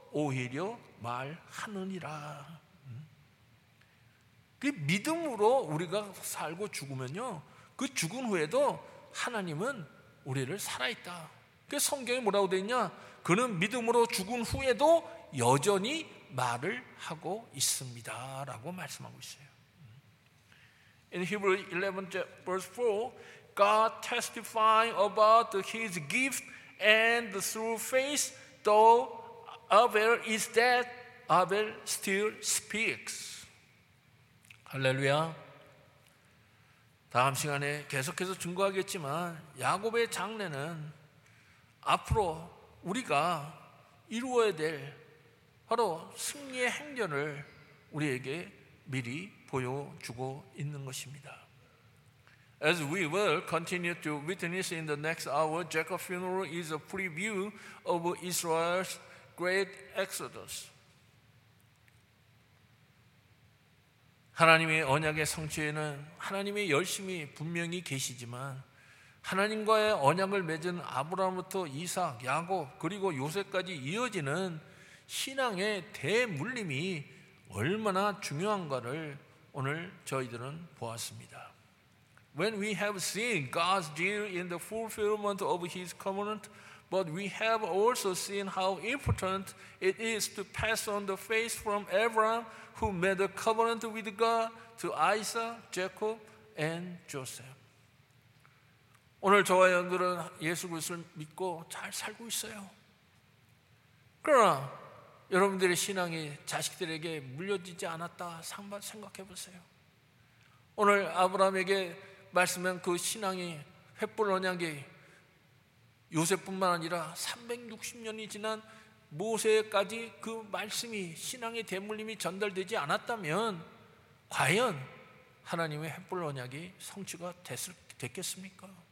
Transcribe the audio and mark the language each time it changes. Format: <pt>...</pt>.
<ko>오히려 말하느니라. 그 믿음으로 우리가 살고 죽으면요, 그 죽은 후에도 하나님은 우리를 살아있다. 그 성경이 뭐라고 돼 있냐? 그는 믿음으로 죽은 후에도 여전히 말을 하고 있습니다 라고 말씀하고 있어요.</ko> <en>In Hebrews 11:4, God testifying about his gift and through faith, though Abel is dead, Abel still speaks.</en> <ko>할렐루야. 다음 시간에 계속해서 증거하겠지만 야곱의 장래는 앞으로 우리가 이루어야 될 바로 승리의 행렬을 우리에게 미리 보여주고 있는 것입니다.</ko> <en>As we will continue to witness in the next hour, Jacob's funeral is a preview of Israel's great exodus.</en> <ko>하나님의 언약의 성취에는 하나님의 열심이 분명히 계시지만 하나님과의 언약을 맺은 아브라함부터 이삭, 야곱 그리고 요셉까지 이어지는 신앙의 대물림이 얼마나 중요한가를 오늘 저희들은 보았습니다.</ko> <en>When we have seen God's deal in the fulfillment of his covenant, but we have also seen how important it is to pass on the faith from Abraham who made a covenant with God to Isaac, Jacob, and Joseph.</en> <ko>오늘 저와 여러분들은 예수 그리스도를 믿고 잘 살고 있어요. 그러나 여러분들의 신앙이 자식들에게 물려지지 않았다 생각해 보세요. 오늘 아브라함에게 말씀한 그 신앙이 횃불 언약이 요셉뿐만 아니라 360년이 지난 모세까지 그 말씀이 신앙의 대물림이 전달되지 않았다면 과연 하나님의 횃불 언약이 성취가 됐겠습니까?</ko>